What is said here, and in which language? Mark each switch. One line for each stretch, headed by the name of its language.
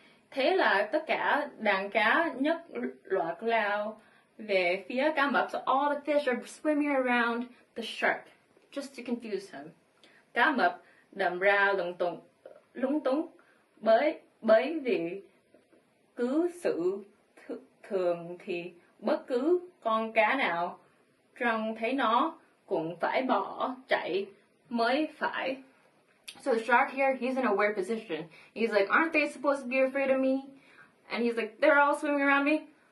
Vietnamese: Thế là tất cả đàn cá nhất loạt lao về phía cá mập.
English: So all the fish are swimming around the shark just to confuse him.
Vietnamese: Cá mập đầm ra lúng túng bởi vì cứ sự thường thì bất cứ con cá nào trông thấy nó cũng phải bỏ chạy mới phải.
English: So the shark here, he's in a weird position. He's like, aren't they supposed to be afraid of me? And he's like, they're all swimming around me.